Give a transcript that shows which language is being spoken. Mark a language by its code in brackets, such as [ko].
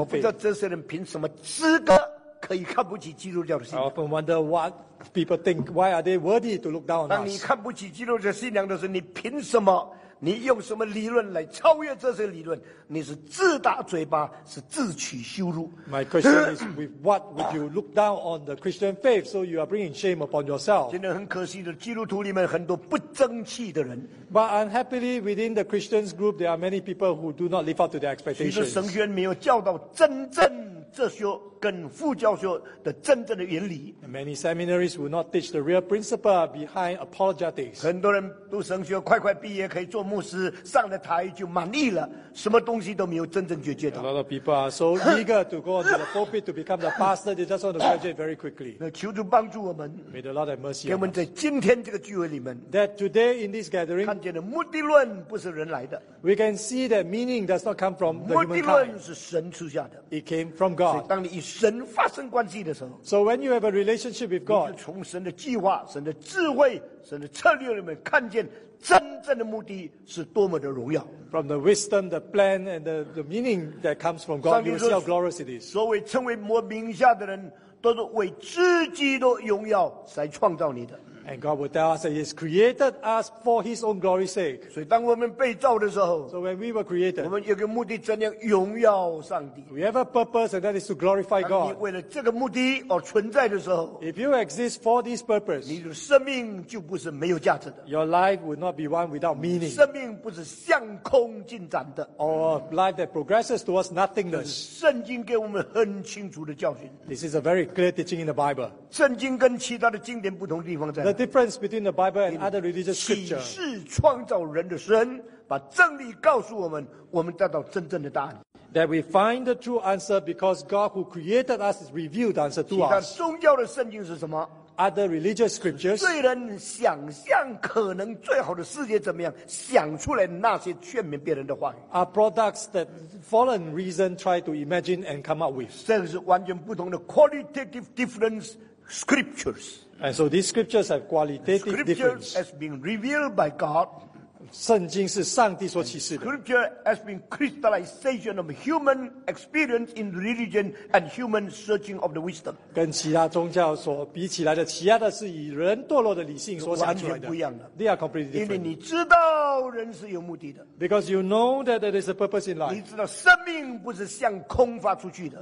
[zh] 我不知道这些人凭什么资格。可以看不起基督教的信仰。 [en] I often wonder what people think. Why are they worthy to look down on us? [zh] 当你看不起基督教信仰的时候，你凭什么你用什么理论来超越这些理论？你是自打嘴巴，是自取羞辱。 [en] My question is, with what would you look down on the Christian faith? So you are bringing shame upon yourself. [zh] 今天很可惜的，基督徒里面很多不争气的人。 [en] But unhappily, within the Christians group, there are many people who do not live up to their expectations. [zh] 其实神学院没有教导真正这些跟副教授的真正的原理。 [en] Many seminaries will not teach the real principle behind apologetics. [zh] 很多人读神学快快毕业可以做牧师，上了台就满意了，什么东西都没有真正解决到。 [en] A lot of people are so eager to go on to the pulpit to become the pastor. They just want to graduate very quickly. [zh] 那求主帮助我们。 [en] May the Lord have mercy. [zh] 给我们在今天这个聚会里面。 [en] That today in this gathering, [zh] 看见的目的论不是人来的。 [en] We can see that meaning does not come from the humankind. [zh] 目的论是神赐下的。 [en] It came from God. [zh] 当你神发生关系的时候 [en] ，So when you have a relationship with God， [zh] 你是从神的计划、神的智慧、神的策略里面看见真正的目的是多么的荣耀。 [en] From the wisdom, the plan, and the meaning that comes from God, you see how glorious it is. [zh] 所谓称为我名下的人，都是为自己的荣耀才创造你的。 [en] And God will tell us that He has created us for His own glory's sake. [zh] 所以当我们被造的时候 [en] ，So when we were created, [zh] 我们有个目的，怎样荣耀上帝 [en] ？We have a purpose, and that is to glorify God. [zh] 当你为了这个目的而存在的时候 [en] ，If you exist for this purpose, [zh] 你的生命就不是没有价值的。 [en] Your life will not be one without meaning. [zh] 生命不是向空进展的 [en] ，or life that progresses towards nothingness. [zh] 圣经给我们很清楚的教训。 [en] This is a very clear teaching in the Bible. [zh] 圣经跟其他的经典不同的地方在。 [en] The difference between the Bible and other religious scripture. [zh] 启示创造人的神，把真理告诉我们，我们得到真正的答案。 [en] That we find the true answer because God who created us has revealed the answer to us. [zh] 其他宗教的圣经是什么？ [en] Other religious scriptures, [zh] 罪人想象可能最好的世界怎么样？想出来那些劝勉别人的话语。 [en] Are products that fallen reason try to imagine and come up with. [zh] 这是完全不同的 [en] qualitative difference scriptures. And so these scriptures have qualitative difference. Scripture has been revealed by God. [zh] 圣经是上帝所启示的。 [en] Scripture has been crystallization of human experience in religion and human searching of the wisdom. [zh] 跟其他宗教所比起来的，其他的是以人堕落的理性所想出来的。完全不一样的。 [en] They are completely different. [zh] 因为你知道人是有目的的。 [en] Because you know that there is a purpose in life. [zh] 你知道生命不是向空发出去的。